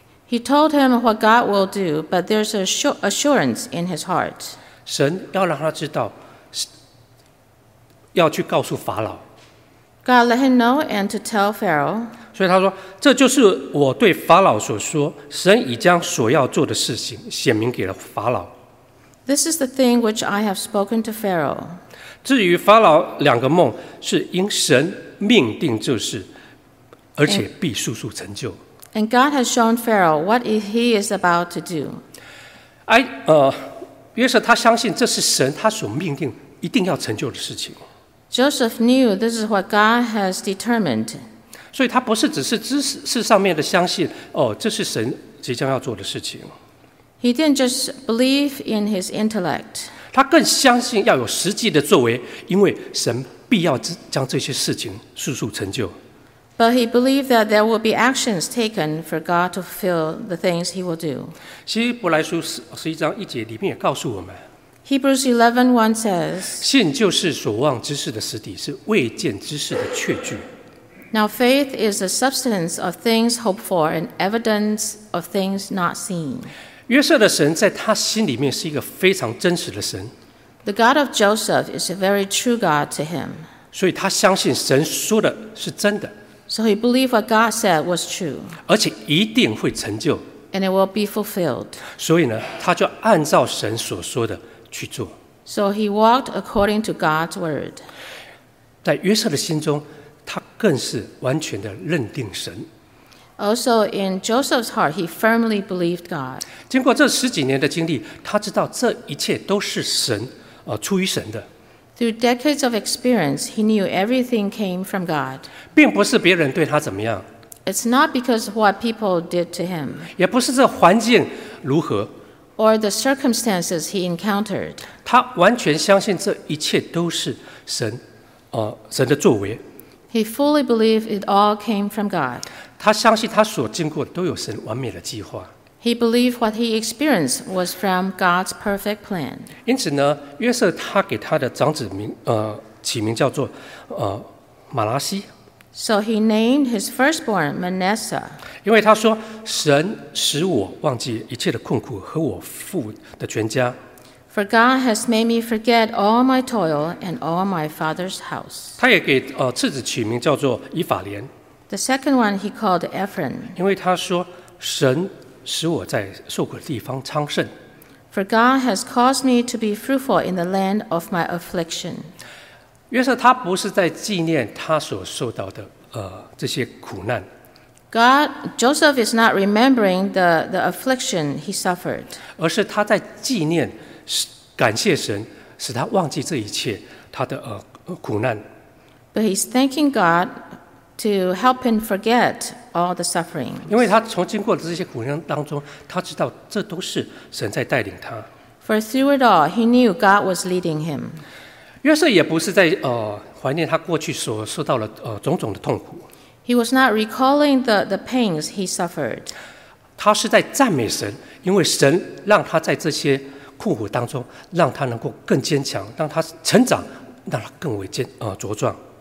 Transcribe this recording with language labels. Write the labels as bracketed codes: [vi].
[en] He told him what God will do, but there's a assurance in his heart. [zh] 神要让他知道，要去告诉法老。 [en] God let him know and to tell Pharaoh. [zh] 所以他说，这就是我对法老所说，神已将所要做的事情显明给了法老。 [en] This is the thing which I have spoken to Pharaoh. [zh] 至于法老两个梦，是因神命定这事，而且必速速成就。 [en] And God has shown Pharaoh what he is about to do. [zh] 约瑟他相信这是神他所命定一定要成就的事情。 [en] Joseph knew this is what God has determined. [zh] 所以他不是只是知识上面的相信，哦，这是神即将要做的事情。 [en] He didn't just believe in his intellect. [zh] 他更相信要有实际的作为，因为神必要将这些事情速速成就。 [en] But he believed that there will be actions taken for God to fulfill the things he will do. [zh] 希伯来书十一章一节里面也告诉我们。 [en] Hebrews 11:1 says, [zh] 信就是所望之事的实底，是未见之事的确据。 [en] Now faith is the substance of things hoped for and evidence of things not seen. [zh] 约瑟的神在他心里面是一个非常真实的神。 [en] The God of Joseph is a very true God to him. [zh] 所以他相信神说的是真的。 [en] So he believed what God said was true. [zh] 而且一定会成就。 [en] And it will be fulfilled. [zh] 所以呢，他就按照神所说的去做。 [en] So he walked according to God's word. [zh] 在约瑟的心中，他更是完全的认定神。 [en] Also in Joseph's heart, he firmly believed God. [zh] 经过这十几年的经历，他知道这一切都是神，出于神的。 [en] Through decades of experience, he knew everything came from God. [zh] 并不是别人对他怎么样。 [en] It's not because of what people did to him. [zh] 也不是这环境如何。 [en] Or the circumstances he encountered. [zh] 他完全相信这一切都是神，神的作为。 [en] He fully believed it all came from God. [zh] 他相信他所经过的都有神完美的计划。 [en] He believed what he experienced was from God's perfect plan. [zh] 因此呢，约瑟他给他的长子名，起名叫做，马拉西。 [en] So he named his firstborn Manasseh. [zh] 因为他说，神使我忘记一切的困苦和我父的全家。 [en] For God has made me forget all my toil and all my father's house. [zh] 他也给次子起名叫做以法莲。 [en] The second one he called Ephraim. [zh] 因为他说，神使我在受苦的地方昌盛。 [en] For God has caused me to be fruitful in the land of my affliction. [zh] 约瑟他不是在纪念他所受到的这些苦难。 [en] God, Joseph is not remembering the affliction he suffered. [zh] 而是他在纪念，感谢神，使他忘记这一切他的苦难。 [en] But he's thanking God to help him forget all the suffering. [zh] 因为他从经过的这些苦难当中，他知道这都是神在带领他。 [en] For through it all, he knew God was leading him. [zh] 约瑟也不是在怀念他过去所受到的种种的痛苦。 [en] He was not recalling the pains he suffered. [zh] 他是在赞美神，因为神让他在这些苦苦当中，让他能够更坚强，让他成长，让他更为茁壮。